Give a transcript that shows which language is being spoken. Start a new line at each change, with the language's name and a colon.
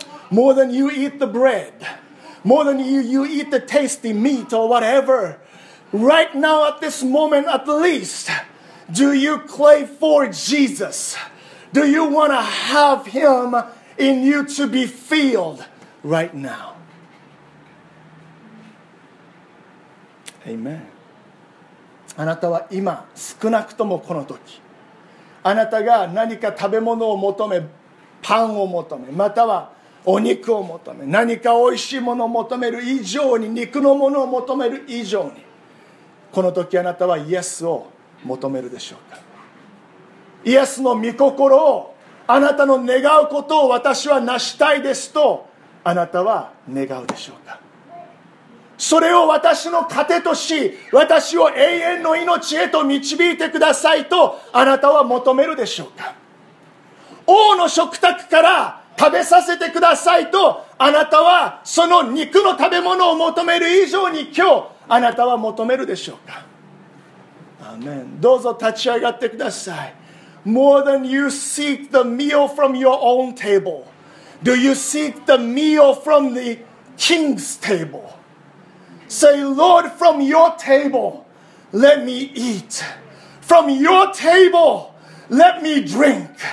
English: More than you eat the bread, more than you eat the tasty meat or whatever, right now at this moment at least, do you crave for Jesus? Do you want to have him in you to be filled right now? Amen.
Japanese: あなたは今、少なくともこの時、あなたが何か食べ物を求め、パンを求め、またはお肉を求め、何かおいしいものを求める以上に、肉のものを求める以上に、この時あなたはイエスを求めるでしょうか。イエスの御心を、あなたの願うことを私は成したいですとあなたは願うでしょうか。それを私の糧とし、私を永遠の命へと導いてくださいとあなたは求めるでしょうか。王の食卓から食べさせてくださいとあなたはその肉の食べ物を求める以上に今日あなたは求めるでしょうか。アーメン。どうぞ立ち上がってください。
English: More than you seek the meal from your own table, do you seek the meal from the king's table? Say, Lord, from your table, let me eat. From your table, let me drink.